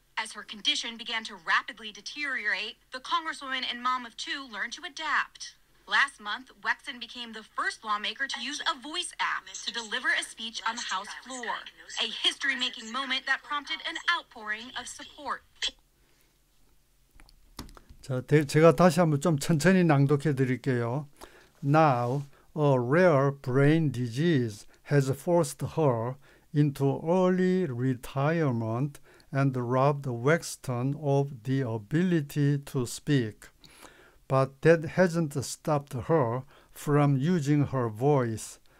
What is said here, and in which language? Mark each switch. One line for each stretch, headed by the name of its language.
English: As her condition began to rapidly deteriorate, the congresswoman and mom of two learned to adapt. Last month, Wexton became the first lawmaker to use a voice app to deliver a speech on the House floor, a history-making moment that prompted an outpouring of support.
Korean: 자, 제가 다시 한번 좀 천천히 낭독해 드릴게요.
English: Now, a rare brain disease has forced her into early retirement and robbed Wexton of the ability to speak. But that hasn't stopped her from using her voice.